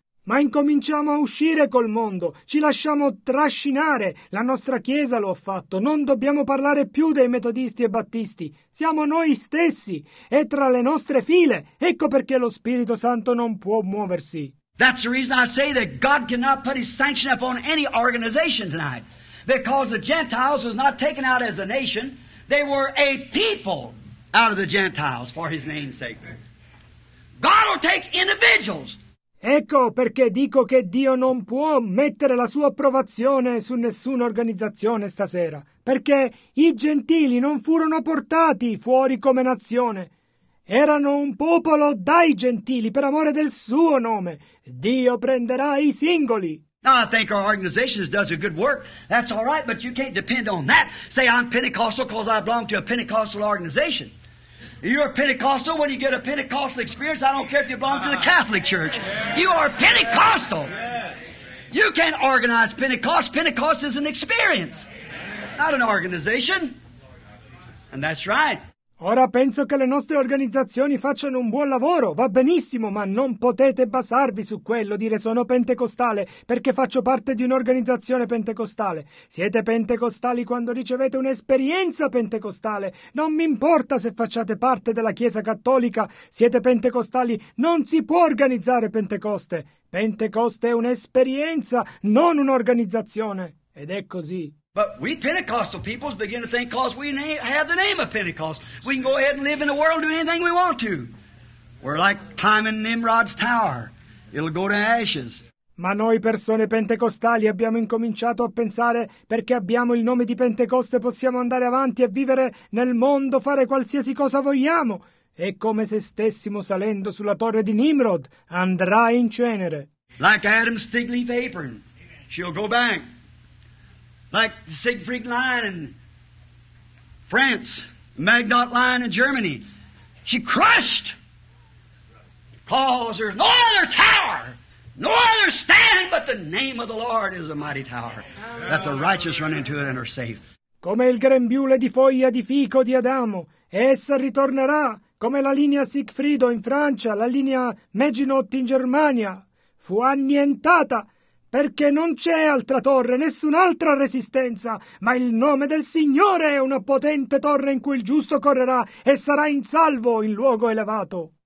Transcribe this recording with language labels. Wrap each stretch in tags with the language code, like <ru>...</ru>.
<it>Ma incominciamo a uscire col mondo, ci lasciamo trascinare, la nostra Chiesa lo ha fatto, non dobbiamo parlare più dei metodisti e battisti, siamo noi stessi, è tra le nostre file, ecco perché lo Spirito Santo non può muoversi.</it> <en>That's the reason I say that God cannot put his sanction upon any organization tonight, because the Gentiles was not taken out as a nation, they were a people out of the Gentiles for his name's sake. God will take individuals.</en> <it>Ecco perché dico che Dio non può mettere la sua approvazione su nessuna organizzazione stasera, perché i gentili non furono portati fuori come nazione. Erano un popolo dai gentili per amore del suo nome. Dio prenderà i singoli.</it> <en>Now I think our organization does a good work. That's all right, but you can't depend on that. Say I'm Pentecostal because I belong to a Pentecostal organization. You're a Pentecostal when you get a Pentecostal experience. I don't care if you belong to the Catholic Church. You are Pentecostal. You can't organize Pentecost. Pentecost is an experience, not an organization. And that's right.</en> <it>Ora penso che le nostre organizzazioni facciano un buon lavoro, va benissimo, ma non potete basarvi su quello, dire sono pentecostale perché faccio parte di un'organizzazione pentecostale. Siete pentecostali quando ricevete un'esperienza pentecostale, non mi importa se facciate parte della Chiesa Cattolica, siete pentecostali, non si può organizzare Pentecoste. Pentecoste è un'esperienza, non un'organizzazione. Ed è così.</it> <en>But we Pentecostal peoples begin to think because we have the name of Pentecost, we can go ahead and live in the world and do anything we want to. We're like climbing Nimrod's tower. It'll go to ashes.</en> <it>Ma noi persone pentecostali abbiamo incominciato a pensare perché abbiamo il nome di Pentecoste possiamo andare avanti e vivere nel mondo, fare qualsiasi cosa vogliamo. È come se stessimo salendo sulla torre di Nimrod. Andrà in cenere.</it> <en>Like Adam's fig leaf apron. She'll go back. Like the Siegfried Lion in France, Magnot Lion in Germany. She crushed because there's no other tower, no other stand, but the name of the Lord is a mighty tower that the righteous run into it and are safe.</en> <it>Come il grembiule di foglia di fico di Adamo, essa ritornerà come la linea Siegfriedo in Francia, la linea Maginot in Germania. Fu annientata. Perché non c'è altra torre, nessun'altra resistenza, ma il nome del Signore è una potente torre in cui il giusto correrà e sarà in salvo in luogo elevato.</it>